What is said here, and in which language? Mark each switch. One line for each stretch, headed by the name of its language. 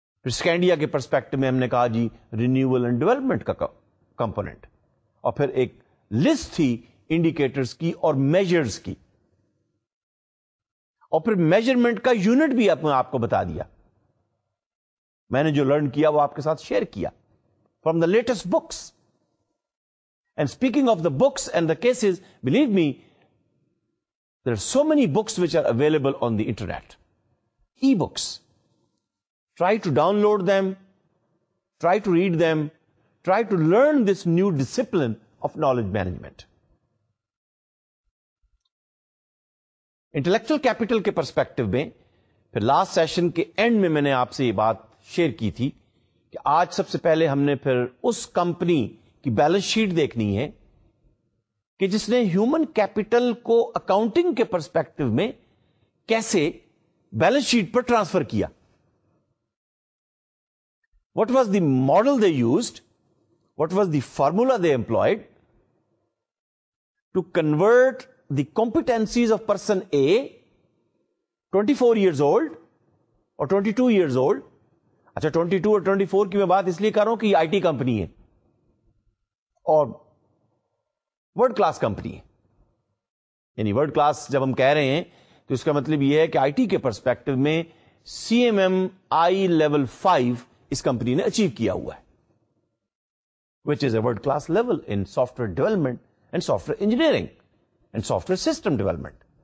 Urdu: سکینڈیا کے پرسپیکٹو میں ہم نے کہا جی رینیول اینڈ ڈیولپمنٹ کا کمپوننٹ، اور پھر ایک لسٹ تھی انڈیکیٹرز کی اور میجرز کی، اور پھر میجرمنٹ کا یونٹ بھی آپ کو بتا دیا. میں نے جو لرن کیا وہ آپ کے ساتھ شیئر کیا
English: From the latest books. And speaking of the books and the cases, believe me there are so many books which are available on the internet, e books, try to download them, try to read them, try to learn this new discipline of knowledge management.
Urdu: Intellectual capital کے perspective میں پھر last session کے and میں نے آپ سے یہ بات شیئر کی تھی کہ آج سب سے پہلے ہم نے پھر اس کمپنی کی بیلنس شیٹ دیکھنی ہے کہ جس نے ہیومن کیپیٹل کو اکاؤنٹنگ کے پرسپیکٹو میں کیسے بیلنس شیٹ پر ٹرانسفر کیا.
English: What was the model they used, what was the formula they employed to convert the competencies of person a 24 years old اور 22 years old.
Urdu: اچھا 22 اور 24 کی میں بات اس لیے کر رہا ہوں کہ یہ آئی ٹی کمپنی ہے، اور ورلڈ کلاس کمپنی ہے. یعنی ورلڈ کلاس جب ہم کہہ رہے ہیں تو اس کا مطلب یہ ہے کہ آئی ٹی کے پرسپیکٹو میں سی ایم ایم آئی لیول 5 اس کمپنی نے اچیو کیا ہوا ہے,
English: Which is a world class level in software development and software engineering and software system development.